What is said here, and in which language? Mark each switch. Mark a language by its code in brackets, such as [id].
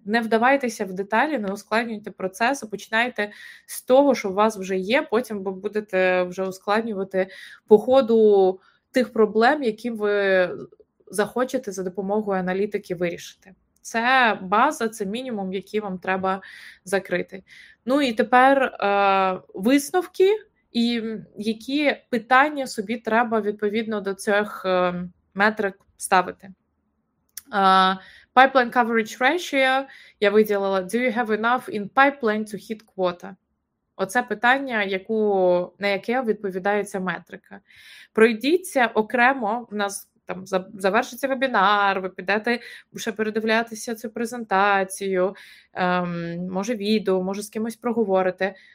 [uk] Не вдавайтеся в деталі, не ускладнюйте процес, а починайте з того, що у вас вже є, потім ви будете вже ускладнювати по ходу тих проблем, які ви захочете за допомогою аналітики вирішити. Це база, це мінімум, який вам треба закрити. Ну і тепер висновки і які питання собі треба відповідно до цих метрик ставити. [en] Pipeline coverage ratio [uk] я виділила. [en] Do you have enough in pipeline to hit quota? [uk] Оце питання, на яке відповідається метрика. Пройдіться окремо, в нас там завершиться вебінар, ви підете ще передивлятися цю презентацію, може відео, може з кимось проговорити.